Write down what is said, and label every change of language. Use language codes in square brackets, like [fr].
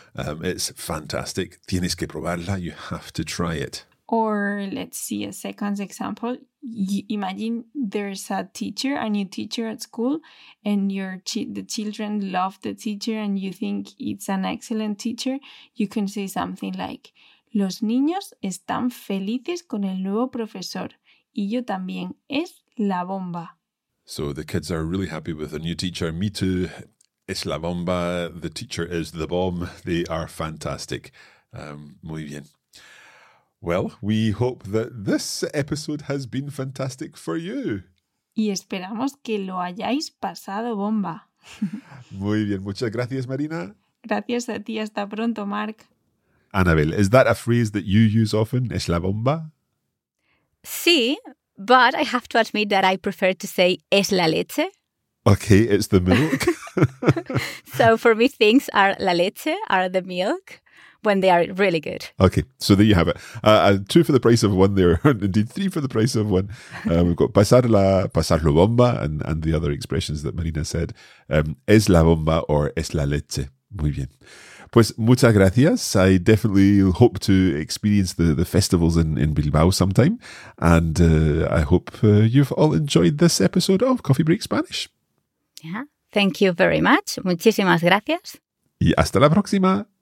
[en] It's fantastic. [es] Tienes que probarla. [en] You have to try it. Or let's see a second example. Imagine there's a teacher, a new teacher at school, and the children love the teacher and you think it's an excellent teacher. You can say something like, [es] los niños están felices con el nuevo profesor. Y yo también. Es la bomba. [en] So the kids are really happy with the new teacher. Me too. [es] Es la bomba. [en] The teacher is the bomb. They are fantastic. [es] Muy bien. [en] Well, we hope that this episode has been fantastic for you. [es] Y esperamos que lo hayáis pasado bomba. Muy bien. Muchas gracias, Marina. Gracias a ti. Hasta pronto, Mark. [en] Annabel, is that a phrase that you use often? [es] Es la bomba? Sí. [en] But I have to admit that I prefer to say [es] es la leche. [en] Okay, it's the milk. So for me, things are [es] la leche, [en] are the milk, when they are really good. Okay, so there you have it. Two for the price of one there. Indeed, three for the price of one. We've got pasarla, pasarlo bomba, and the other expressions that Marina said. [es] Es la bomba or es la leche. Muy bien. Pues muchas gracias. [en] I definitely hope to experience the festivals in Bilbao sometime. And I hope you've all enjoyed this episode of Coffee Break Spanish. Yeah, thank you very much. [es] Muchísimas gracias. Y hasta la próxima.